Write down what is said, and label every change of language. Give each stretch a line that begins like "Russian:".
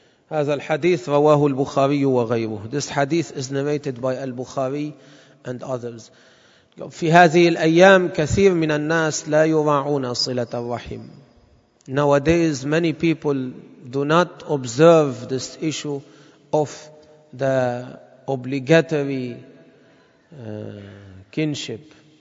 Arabic: هذا الحديث رواه البخاري وغيره.
English: This hadith is narrated by Al-Bukhari and others.
Arabic: في هذه الأيام كثير من الناس لا يراعون صلة الرحم.
English: Nowadays many people do not observe this issue of the obligatory kinship.